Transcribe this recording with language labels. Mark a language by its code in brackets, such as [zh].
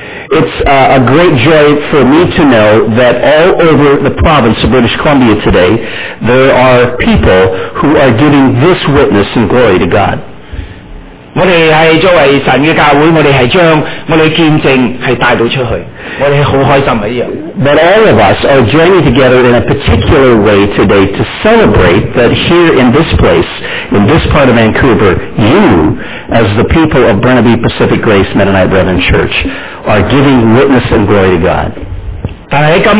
[en] it's a great joy for me to know that all over the province of British Columbia today, there are people who are giving this witness and glory to God. [zh] 我们是作为神的教会,我们是将我们的见证是带到出去,我们是很开心的一样。 [en] But all of us are joining together in a particular way today to celebrate that here in this place, in this part of Vancouver, you, as the people of Burnaby Pacific Grace Mennonite Brethren Church, are giving witness and glory to God.